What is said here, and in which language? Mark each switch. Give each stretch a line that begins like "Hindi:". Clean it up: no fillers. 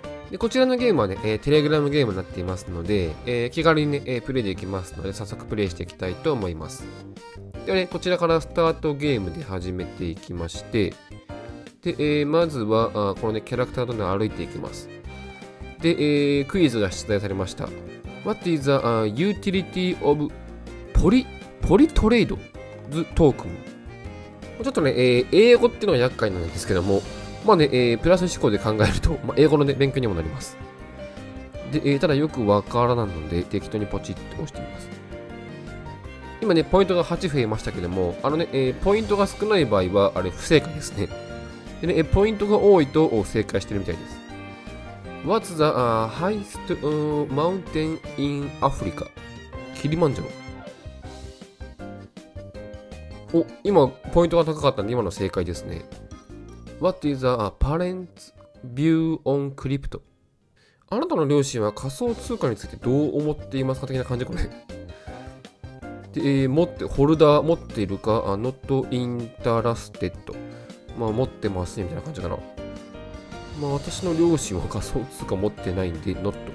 Japanese: でこちらのゲームは、ね、テレグラムゲームになっていますので、気軽に、ね、プレイできますので早速プレイしていきたいと思います。では、ね、こちらからスタートゲームで始めていきまして、で、まずはこの、ね、キャラクターと、ね、歩いていきます。で、クイズが出題されました。
English: What is the utility of polytrade's token?
Japanese: ちょっとね、英語っていうのが厄介なんですけども、まあね、プラス思考で考えると、まあ、英語の、ね、勉強にもなります。で、ただよくわからないので適当にポチッと押してみます。今ねポイントが8増えましたけども、あのね、ポイントが少ない場合はあれ不正解ですね。でね、ポイントが多いと正解してるみたいです。
English: What's the highest mountain in Africa?
Japanese: キリマンジャロ。お、今ポイントが高かったんで今の正解ですね。
English: What is the parents' view on crypto?
Japanese: あなたの両親は仮想通貨についてどう思っていますか的な感じこれ。で、持って、ホルダー持っているか、
English: not interested。
Japanese: まあ持ってますねみたいな感じかな。まあ私の両親は仮想通貨持ってないんで、not。